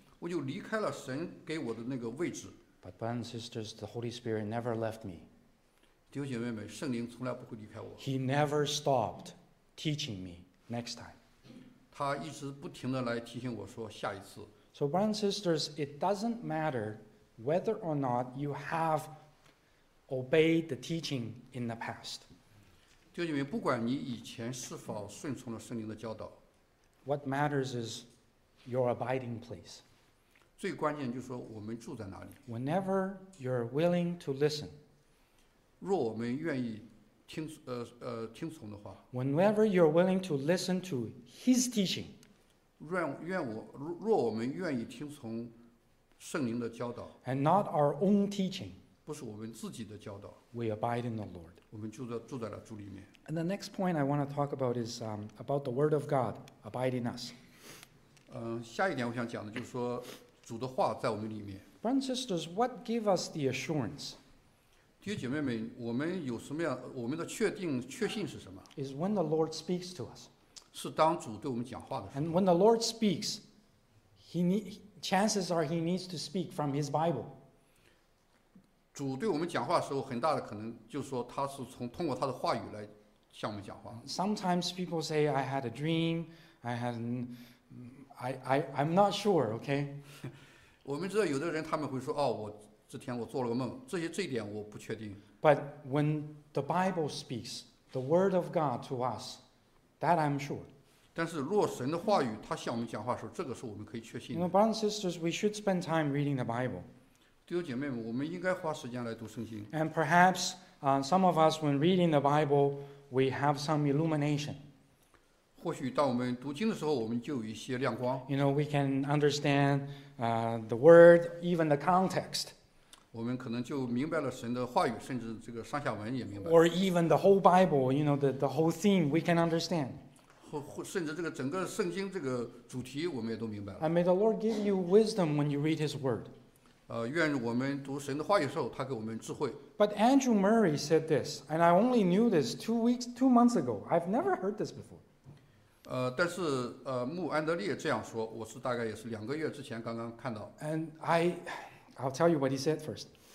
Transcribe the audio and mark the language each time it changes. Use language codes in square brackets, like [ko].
[zh] 我就离开了神给我的那个位置。 [en] But brothers and sisters, the Holy Spirit never left me. [zh] 弟兄姐妹们，圣灵从来不会离开我。 [en] He never stopped teaching me. Next time. [zh] 他一直不停地来提醒我说下一次。 [en] So brothers and sisters, it doesn't matter whether or not you have obeyed the teaching in the past. [zh] 弟兄姐妹，不管你以前是否顺从了圣灵的教导。 [en] What matters is your abiding place. [zh] 最关键就是说我们住在哪里。 [en] Whenever you're willing to listen, [zh] 若我们愿意听听从的话。 [en] Whenever you're willing to listen to His teaching, [zh] 若我们愿意听从圣灵的教导。 [en] And not our own teaching, [zh] 不是我们自己的教导。 [en] We abide in the Lord. [zh] 我们住在了主里面。 [en] And the next point I want to talk about is about the Word of God abiding us. [zh] 下一点我想讲的就是说。主的话在我们里面。 [en] Brothers and sisters, what gives us the assurance? [zh] 弟兄姐妹们，我们有什么样？我们的确定、确信是什么 [en] ？Is when the Lord speaks to us. [zh] 是当主对我们讲话的时候。 [en] And when the Lord speaks, chances are he needs to speak from his Bible. [zh] 主对我们讲话的时候，很大的可能就是说他是通过他的话语来向我们讲话。 [en] Sometimes people say, "I had a dream. I had an." I'm not sure, okay? [zh] 我们知道有的人他们会说，哦，我这天我做了个梦，这一点我不确定。 [en] But when the Bible speaks, the word of God to us, that I'm sure. [zh] 但是若神的话语他向我们讲话的时候，这个是我们可以确信的。 [en] You know, brothers and sisters, we should spend time reading the Bible. [zh] 弟兄姐妹们，我们应该花时间来读圣经。 [en] And perhaps, some of us, when reading the Bible, we have some illumination. [zh] 或许当我们读经的时候，我们就有一些亮光。 [en] You know, we can understand the word, even the context. [zh] 我们可能就明白了神的话语，甚至这个上下文也明白。 [en] Or even the whole Bible, you know, the whole theme, we can understand. [zh] 甚至这个整个圣经这个主题，我们也都明白了。 [en] And may the Lord give you wisdom when you read His word. [zh] 愿我们读神的话语的时候，他给我们智慧。 [en] But Andrew Murray said this, and I only knew this two months ago. I've never heard this before. [zh] 但是穆安德烈这样说，我是大概也是两个月之前刚刚看到。 [en] And I'll tell you what he said first.